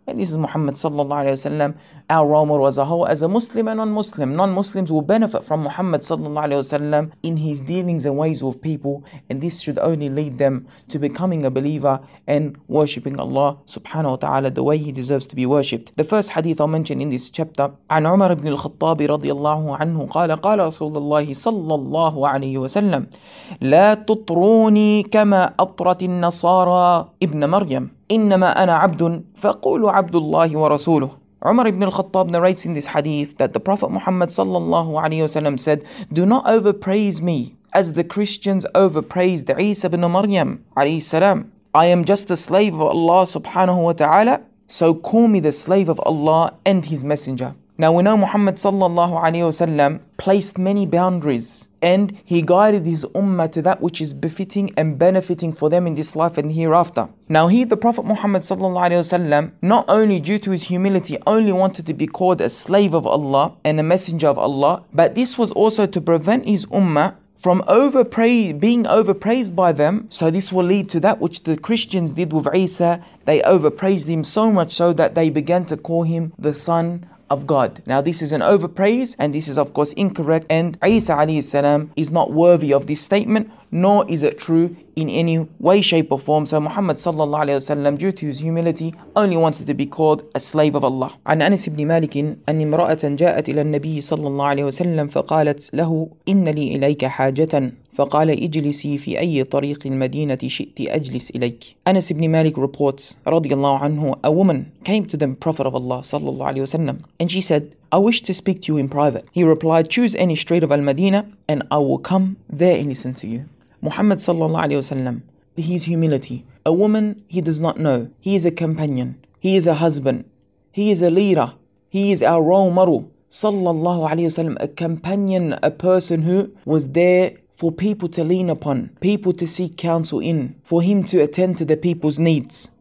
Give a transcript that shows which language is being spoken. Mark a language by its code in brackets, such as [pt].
[en] And this is Muhammad sallallahu alayhi wa sallam, our role model as a whole, as a Muslim and non-Muslim. Non-Muslims will benefit from Muhammad sallallahu alayhi wa sallam in his dealings and ways with people, and this should only lead them to becoming a believer and worshipping Allah subhanahu wa ta'ala the way he deserves to be worshipped. The first hadith I'll mention in this chapter, [ar] عن عمر بن الخطاب رضي الله عنه قال قال رسول الله صلى الله عليه وسلم لا تطروني كما أطرت النصارى ابن مريم إنما أنا عبد فقول عبد الله ورسوله. [en] Umar ibn al-Khattab narrates in this hadith that the Prophet Muhammad sallallahu alayhi wa sallam said, do not overpraise me as the Christians overpraised Isa ibn Maryam alayhi salam. I am just a slave of Allah subhanahu wa ta'ala, so call me the slave of Allah and his messenger. Now we know Muhammad sallallahu alayhi wa sallam placed many boundaries, and he guided his ummah to that which is befitting and benefiting for them in this life and hereafter. Now he, the Prophet Muhammad sallallahu alayhi wa sallam, not only due to his humility, only wanted to be called a slave of Allah and a messenger of Allah, but this was also to prevent his ummah from being overpraised by them. So this will lead to that which the Christians did with Isa. They overpraised him so much so that they began to call him the son of God. Now this is an overpraise, and this is of course incorrect, and Isa alayhi salam is not worthy of this statement, nor is it true in any way, shape or form. So Muhammad sallallahu alayhi wa sallam, due to his humility, only wanted to be called a slave of Allah. [ar] عن أنس بن مالك أن امرأة جاءت إلى النبي صلى الله عليه وسلم فقالت له إن لي إليك حاجة فقال اجلسي في أي طريق المدينة شئت أجلس إليك. [en] Anas ibn Malik reports, رضي الله عنه, a woman came to the Prophet of Allah صلى الله عليه وسلم, and she said, I wish to speak to you in private. He replied, choose any street of Al-Madinah and I will come there and listen to you. Muhammad صلى الله عليه وسلم, his humility, a woman he does not know, he is a companion, he is a husband, he is a leader, he is our role model, صلى الله عليه وسلم, a companion, a person who was there for people to lean upon, people to seek counsel in, for him to attend to the people's needs.